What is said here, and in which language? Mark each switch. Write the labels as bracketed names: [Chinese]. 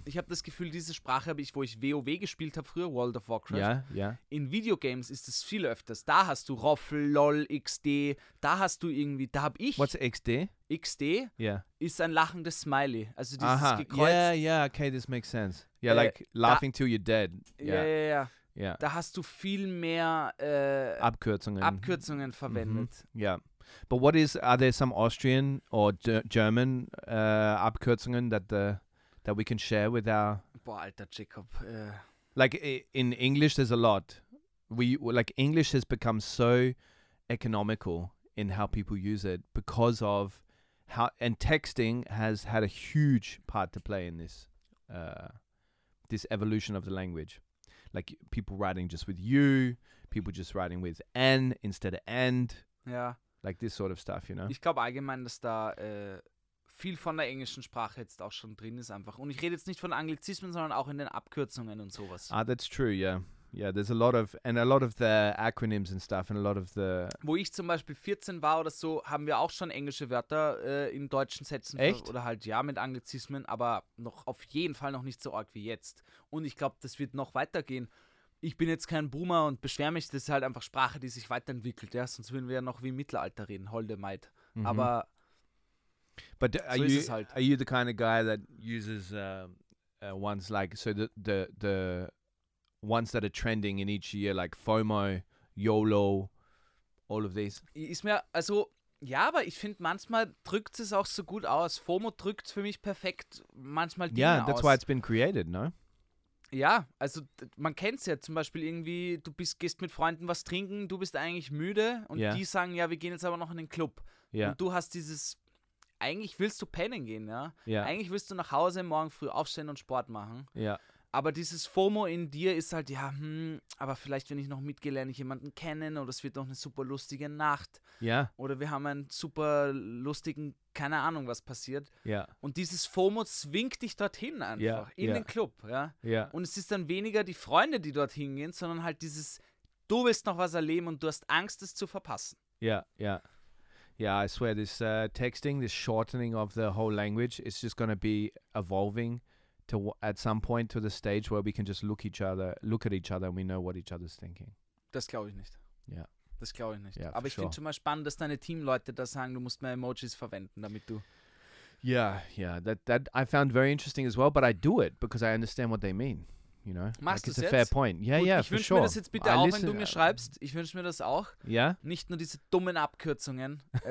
[German] Ich hab das Gefühl, diese Sprache habe ich, wo ich WoW gespielt habe früher, World of Warcraft. Ja, ja. In Videogames ist es viel öfters. Da hast du Roffel, LOL, XD. Da hast du irgendwie, da habe ich... [English] What's XD? XD yeah. [German] ist ein lachendes Smiley. Also dieses Aha. gekreuzt. [English] Yeah, yeah, okay, this makes sense. Yeah, like laughing till you're dead. [German] Yeah. Da hast du viel mehr Abkürzungen verwendet. [English] Mm-hmm. Yeah. But what is, are there some Austrian or German Abkürzungen that we can share with our... [German] Boah, alter Jacob. [English] Like in English there's a lot. English has become so economical in how people use it because of how... And texting has had a huge part to play in this... this evolution of the language, like people writing just with you, people just writing with N instead of and, yeah, like this sort of stuff, you know. [German] Ich glaube allgemein, dass da viel von der englischen Sprache jetzt auch schon drin ist einfach. Und ich rede jetzt nicht von Anglizismen, sondern auch in den Abkürzungen und sowas. [English] Ah, that's true, yeah. Yeah, there's a lot of, and a lot of the acronyms and stuff, and a lot of the... [German] Wo ich zum Beispiel 14 war oder so, haben wir auch schon englische Wörter in deutschen Sätzen. Echt? Oder halt, ja, mit Anglizismen, aber noch auf jeden Fall noch nicht so arg wie jetzt. Und ich glaube, das wird noch weitergehen. Ich bin jetzt kein Boomer und beschwere mich, das ist halt einfach Sprache, die sich weiterentwickelt, ja, sonst würden wir ja noch wie im Mittelalter reden, holde Maid. Mm-hmm. Aber [English] but so you, [German] ist es halt. [English] Are you the kind of guy that uses ones like, so the ones that are trending in each year, like FOMO, YOLO, all of these. [German] Ist mir, also, ja, aber ich finde, manchmal drückt es auch so gut aus. FOMO drückt für mich perfekt manchmal Dinge aus. [English] Yeah, that's [German] aus. [English] Why it's been created, no? [German] Ja, also, man kennt es ja zum Beispiel irgendwie, du gehst mit Freunden was trinken, du bist eigentlich müde und die sagen, ja, wir gehen jetzt aber noch in den Club. [English] Yeah. [German] Und du hast dieses, eigentlich willst du pennen gehen, ja? [English] Yeah. [German] Eigentlich willst du nach Hause morgen früh aufstehen und Sport machen. Ja. Yeah. Aber dieses FOMO in dir ist halt, ja, aber vielleicht, wenn ich noch mitgehe, lerne ich jemanden kennen oder es wird noch eine super lustige Nacht. Ja. Oder wir haben einen super lustigen, keine Ahnung, was passiert. Ja. Und dieses FOMO zwingt dich dorthin einfach, in den Club. Ja. Ja. Und es ist dann weniger die Freunde, die dorthin gehen, sondern halt dieses, du willst noch was erleben und du hast Angst, es zu verpassen. Ja, ja. [English] Ja, I swear, this texting, this shortening of the whole language is just going to be evolving. To at some point to the stage where we can just look at each other and we know what each other's thinking. [German] Das glaube ich nicht. Ja. Yeah. Das glaube ich nicht. [English] Yeah, [German] aber ich finde schon mal spannend, dass deine Teamleute da sagen, du musst mehr Emojis verwenden, damit du. [English] Yeah, yeah. That I found very interesting as well, but I do it because I understand what they mean. You know. [German] Machst [English] like it's [German] jetzt? [English] A fair point. Yeah, [German] gut, [English] yeah. [German] Ich wünsche mir das jetzt bitte [English] I [German] auch, [English] listen, [German] wenn du mir schreibst. Ich wünsche mir das auch. [English] Yeah. [German] Nicht nur diese dummen Abkürzungen.